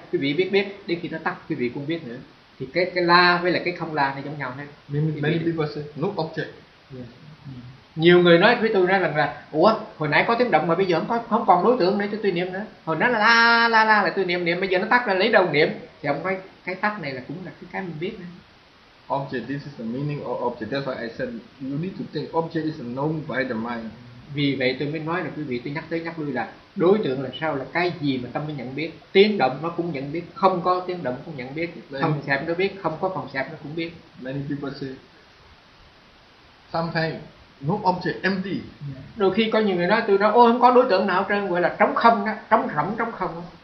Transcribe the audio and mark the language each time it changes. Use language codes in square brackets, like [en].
[vi] Quý vị biết, đến khi nó tắt, quý vị cũng biết nữa. Thì cái la với lại cái không la này giống nhau hết. [en] Many people say no object. [vi] Nhiều người nói với tôi rằng là ủa, hồi nãy có tiếng động mà bây giờ không còn đối tượng nữa cho tôi niệm nữa. Hồi nãy là la là tôi niệm, bây giờ nó tắt là lấy đâu niệm. Thì ông nói cái tắt này là cũng là cái mình biết này. [en] Object, this is the meaning of object. That's why I said you need to think object is known by the mind. [vi] Vì vậy tôi mới nói là quý vị, tôi nhắc lui là đối tượng là sao, là cái gì mà tâm mới nhận biết. Tiếng động nó cũng nhận biết, không có tiếng động cũng nhận biết, phòng sạp nó biết, không có phòng sạp nó cũng biết. [en] Many people say sometimes no object, empty. [vi] Đôi khi có nhiều người nói, tôi nói ôi không có đối tượng nào trên, gọi là trống không đó, trống rỗng, trống không.